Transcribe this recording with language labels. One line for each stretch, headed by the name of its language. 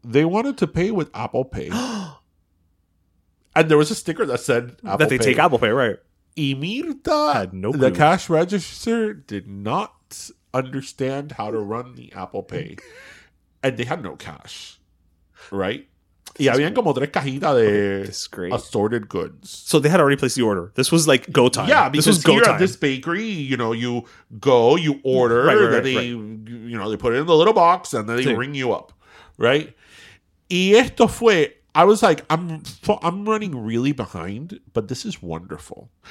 English: They wanted to pay with Apple Pay. And there was a sticker that said Apple Pay. That they pay. Take Apple Pay, right. Y Mirta, had no clue. The cash register did not understand how to run the Apple Pay, and they had no cash, right?
Spanish: Y habían como tres cajitas de
English: assorted goods. So they had already placed the order. This was like go time. Yeah, because this was go here time. At this bakery, you know, you go, you order, right. You know, they put it in the little box, and then they ring you up, right?
Spanish: Y esto fue
English: I was like, I'm running really behind, but this is wonderful.